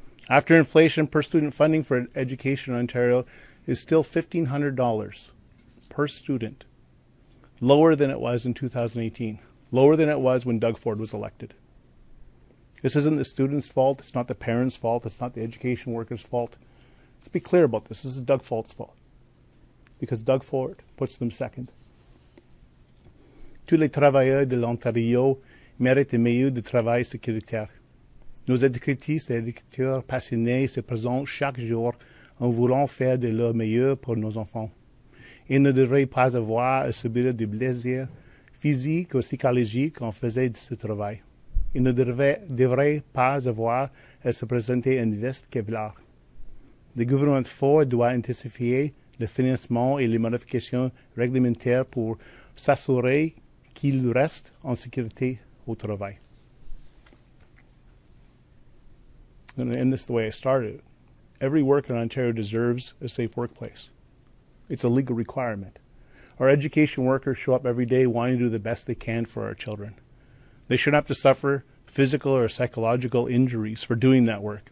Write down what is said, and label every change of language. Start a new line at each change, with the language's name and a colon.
English: After inflation, per student funding for education in Ontario is still $1,500 per student, lower than it was in 2018, lower than it was when Doug Ford was elected. This isn't the student's fault. It's not the parents' fault. It's not the education worker's fault. Let's be clear about this. This is Doug Ford's fault because Doug Ford puts them second.
French: Tous les travailleurs de l'Ontario méritent le meilleur du travail sécuritaire. Nos éducatrices et éducateurs passionnés se présentent chaque jour en voulant faire de leur meilleur pour nos enfants. Ils ne devraient pas avoir à subir des blessures physiques ou psychologiques en faisant ce travail. Ils ne devraient pas avoir à se présenter une veste Kevlar. Le gouvernement Ford doit intensifier le financement et les modifications réglementaires pour s'assurer qu'il reste en sécurité au travail.
English: I'm going to end this the way I started. Every worker in Ontario deserves a safe workplace. It's a legal requirement. Our education workers show up every day wanting to do the best they can for our children. They shouldn't have to suffer physical or psychological injuries for doing that work.